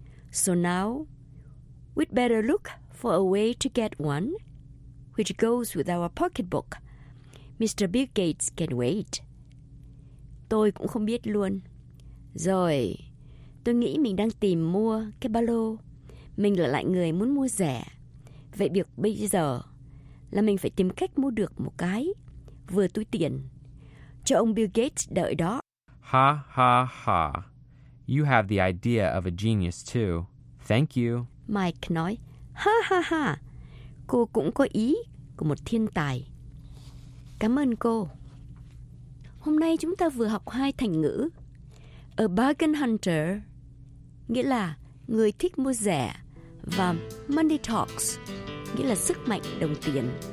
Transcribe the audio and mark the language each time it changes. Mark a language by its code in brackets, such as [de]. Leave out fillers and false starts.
[en] So now, we'd better look for a way to get one, which goes with our pocketbook. Mr. Bill Gates can wait. [vi] Tôi cũng không biết luôn. Rồi, tôi nghĩ mình đang tìm mua cái ba lô. Mình là lại người muốn mua rẻ. Vậy việc bây giờ là mình phải tìm cách mua được một cái vừa túi tiền cho ông Bill Gates đợi đó. Ha ha ha. [en] You have the idea of a genius too. Thank you. [vi] Mike nói, ha ha ha, cô cũng có ý của một thiên tài. Cảm ơn cô. Hôm nay chúng ta vừa học hai thành ngữ. [en] A bargain hunter, [vi] nghĩa là người thích mua rẻ, và [en] money talks, [vi] nghĩa là sức mạnh đồng tiền.